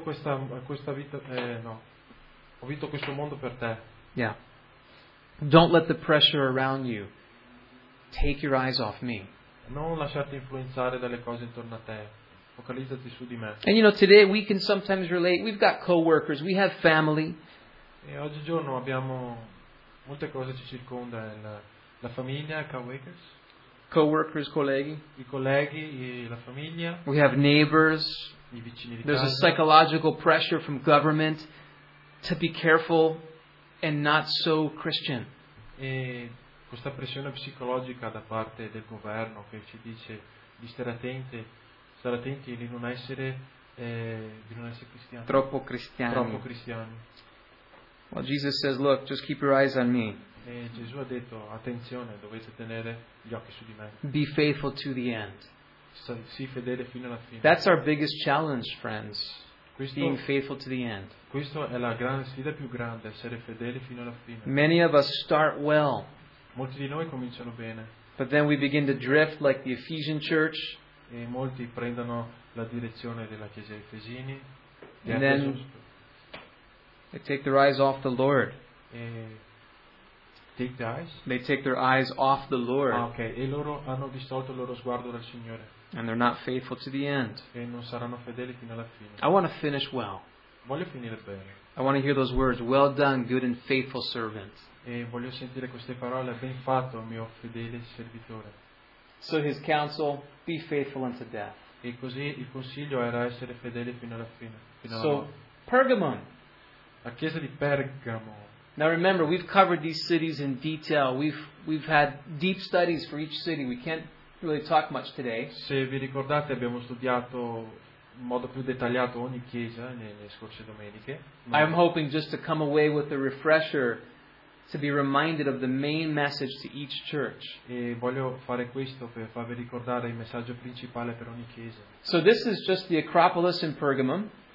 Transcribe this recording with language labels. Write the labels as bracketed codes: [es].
[it] questa vita ho vinto questo mondo per te. [en] Yeah. Don't let the pressure around you take your eyes off me. [it] Non lasciarti influenzare dalle cose intorno a te. Focalizzati su di me. [en] And you know, today we can sometimes relate. We've got coworkers, we have family. [it] E oggigiorno abbiamo molte cose ci circonda, la famiglia, coworkers. Coworkers, colleghi. I colleghi, la famiglia. [en] We have neighbors. [it] I vicini di casa. [en] There's a psychological pressure from government to be careful and not so Christian. [it] E questa pressione psicologica da parte del governo che ci dice di stare attenti di non essere cristiani. Troppo cristiani. Troppo cristiani. [en] Well, Jesus says, "Look, just keep your eyes on me." [it] E Gesù ha detto, attenzione, dovete tenere gli occhi su di me. [en] Be faithful to the end. [it] Sii fedele fino alla fine. [en] That's our biggest challenge, friends. Questo, being faithful to the end. [it] Questo è la grande sfida più grande, essere fedeli fino alla fine. [en] Many of us start well. [it] Molti di noi cominciano bene. [en] But then we begin to drift like the Ephesian church. [it] E molti prendono la direzione della chiesa di Efesini. [en] And then they take their eyes off the Lord. They take their eyes off the Lord. Ah, okay. [it] E loro hanno distolto il loro sguardo dal Signore. [en] And they're not faithful to the end. [it] E non saranno fedeli fino alla fine. [en] I want to finish well. [it] Voglio finire bene. [en] I want to hear those words, well done, good and faithful servant. [it] E voglio sentire queste parole, ben fatto, mio fedele servitore. [en] So his counsel, be faithful unto death. [it] E così il consiglio era essere fedeli fino alla fine. [en] So, Pergamon. [it] La chiesa di Pergamo. [en] Now remember, we've covered these cities in detail. We've had deep studies for each city. We can't really talk much today. [it] Se vi ricordate, abbiamo studiato in modo più dettagliato ogni chiesa nelle scorse domeniche. [en] I'm hoping just to come away with a refresher, to be reminded of the main message to each church. [it] E voglio fare questo per farvi ricordare il messaggio principale per ogni chiesa. [en] So this is just the Acropolis in Pergamum.